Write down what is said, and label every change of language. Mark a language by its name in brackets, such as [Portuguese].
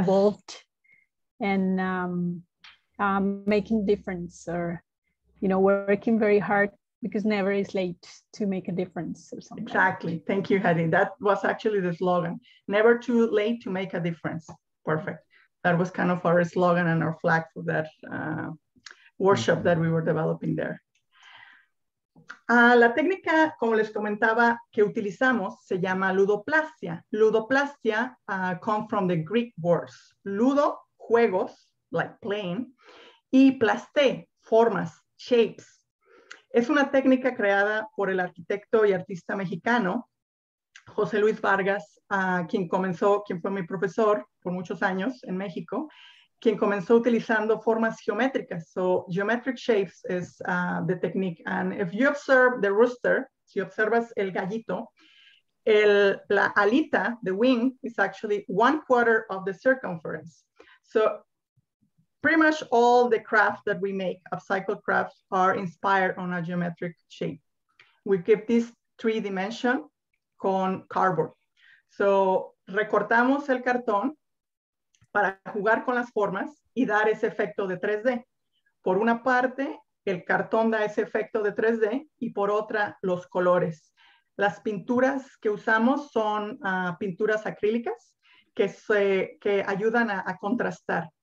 [English] Involved and making difference, or working very hard because never is late to make a difference or something. Exactly. Thank you, Heidi. That was actually the slogan: never too late to make a difference. Perfect. That was kind of our slogan and our flag for that workshop that we were developing there. [Spanish] La técnica, como les comentaba, que utilizamos se llama ludoplastia. [English] Ludoplastia come from the Greek words ludo, juegos, like playing, y plasté, formas, shapes. [Spanish] Es una técnica creada por el arquitecto y artista mexicano José Luis Vargas, quien fue mi profesor por muchos años en México, quien comenzó utilizando formas geométricas. [English] So geometric shapes is the technique. And if you observe the rooster, [Spanish] si observas el gallito, la alita, [English] the wing, is actually one quarter of the circumference. So pretty much all the crafts that we make, upcycled crafts, are inspired on a geometric shape. We keep this three dimension con cardboard. [Spanish] So recortamos el cartón para jugar con las formas y dar ese efecto de 3D. Por una parte, el cartón da ese efecto de 3D, y por otra, los colores. Las pinturas que usamos son pinturas acrílicas que ayudan a contrastar.